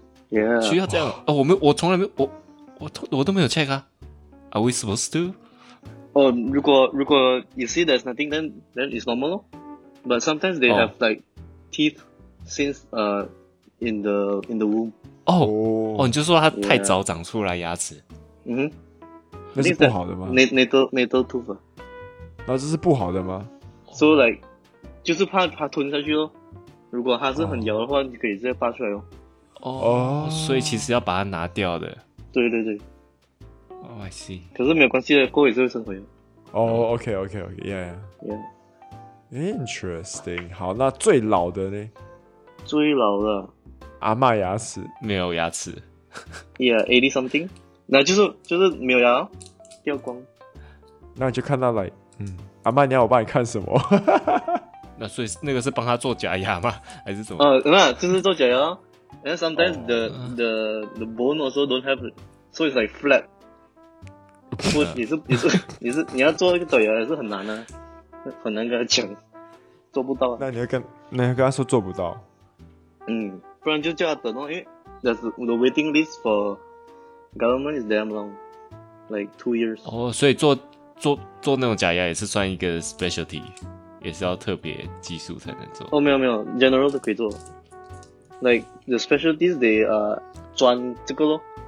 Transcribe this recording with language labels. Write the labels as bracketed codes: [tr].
[en] Yeah. [zh] 需要这样？我从来没我都没有 check 啊。 [en] Are we supposed to? [zh] 如果 [en] you see there's nothing, then it's normal. But sometimes they have like teeth since in the womb. [zh] 你就说他太早长出来牙齿，那是不好的吗？ [en] Natal tooth， [zh] 那这是不好的吗？ [en] So like， [zh] 就是怕他吞下去咯。如果他是很咬的话， oh. 你可以直接拔出来哦。所以其实要把它拿掉的。对对对。 [en] Oh, I see。 [zh] 可是没有关系的，过一阵生活。 [en] Okay. Interesting。 [zh] 好，那最老的呢？最老的。阿嬷牙齿没有牙齿， [en] Yeah, 80 something， [zh] 那就是没有牙，掉光。那你就看到来，阿嬷，你要我帮你看什么？那所以那个是帮他做假牙吗？还是什么？那就是做假牙。 [en] And sometimes the bone also don't have, so it's like flat. [zh] 不，你是你要做一个假牙也是很难啊，很难跟他讲，做不到。那你要跟他说做不到。不然就叫他等哦，因为 [en] that's the waiting list for government is damn long, like 2 years. [zh] 所以做那种假牙也是算一个 specialty， 也是要特别技术才能做。没有 ，general 都可以做。 [en] Like the specialties they [zh] 专这个咯。